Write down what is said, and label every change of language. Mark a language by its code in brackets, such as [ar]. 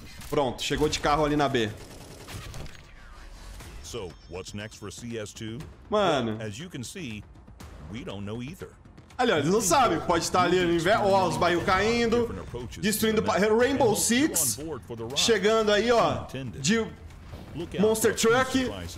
[pt] Pronto, chegou de carro ali na B. [en] So, what's next for CS2? [pt] Mano. [en] As you can see, we don't know either. [pt] Ali, ó, eles não sabem, pode estar ali no inverno, ó, os bairros caindo, destruindo Rainbow Six, chegando aí, ó, de Monster Truck.